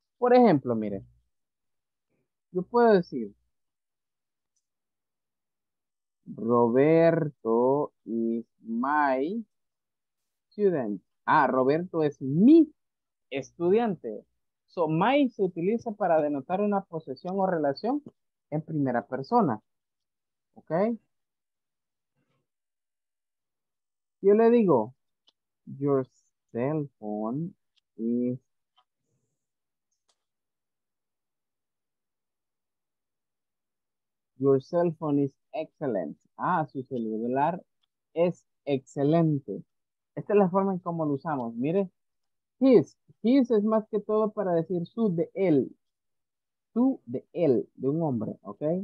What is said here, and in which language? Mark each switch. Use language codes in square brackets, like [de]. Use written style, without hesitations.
[es] Por ejemplo, miren, yo puedo decir, Roberto [en] is my student. [es] Ah, Roberto es mi estudiante. So, my se utiliza para denotar una posesión o relación en primera persona. ¿Ok? Yo le digo, [en] your cell phone is your cell phone is excellent. [es] Ah, su celular es excelente. Esta es la forma en cómo lo usamos. Mire. His. His es más que todo para decir su de él. Su de él, de un hombre, ¿ok?